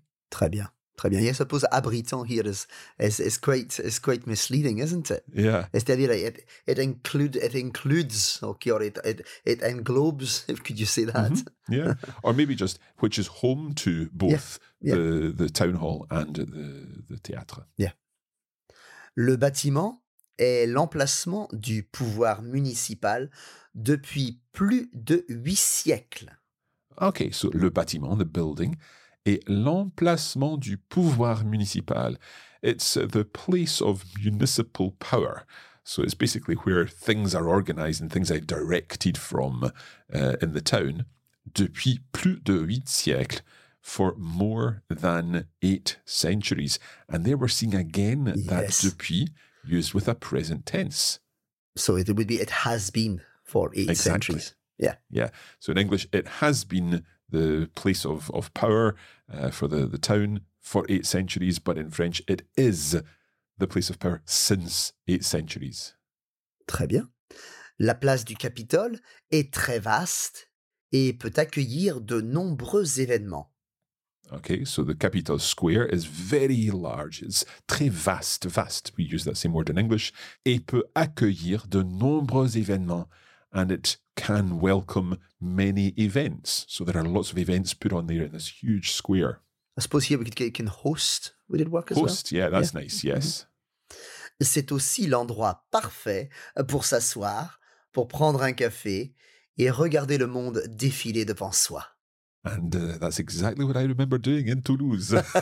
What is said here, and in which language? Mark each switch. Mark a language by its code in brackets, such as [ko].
[fr] Très bien. Très bien. [en] Yeah, I suppose abritant here is quite misleading, isn't it? Yeah. It englobes, if could you say that? Mm-hmm. Yeah. Or maybe just which is home to both the town hall and the théâtre. Yeah. [fr] Le bâtiment est l'emplacement du pouvoir municipal depuis plus de 8 siècles. [en] Okay, so [fr] le bâtiment, [en] the building, [fr] et l'emplacement du pouvoir municipal. [en] It's the place of municipal power. So it's basically where things are organized and things are directed from in the town [fr] depuis plus de 8 siècles, [en] for more than 8 centuries. And there we're seeing again that depuis used with a present tense. So it would be, it has been for 8 centuries. Yeah. So in English, it has been the place of power for the town for 8 centuries, but in French, it is the place of power since 8 centuries. [fr] Très bien. La place du Capitole est très vaste et peut accueillir de nombreux événements. [en] Okay, so the Capitol Square is very large. It's [fr] très vaste, [en] vaste. We use that same word in English. [fr] Et peut accueillir de nombreux événements. [en] And it can welcome many events. So there are lots of events put on there in this huge square. I suppose here we can host. We did work as host, well. Host, yeah, that's nice, yes. [fr] C'est aussi l'endroit parfait pour s'asseoir, pour prendre un café et regarder le monde défiler devant soi. [en] And that's exactly what I remember doing in Toulouse.